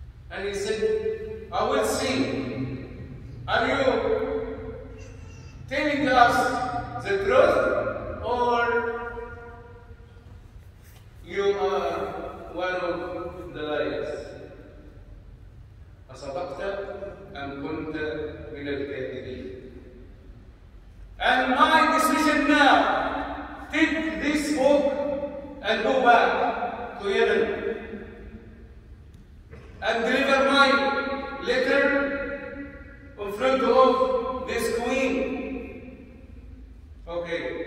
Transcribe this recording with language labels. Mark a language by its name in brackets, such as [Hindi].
[English] And he said, I will see. Are you telling us the truth or you are one of the liars? [Arabic] أصدقت أم كنت من الكاذبين. [English] And my decision now, take this book and go back to Yemen and deliver my letter in front of this queen. Okay.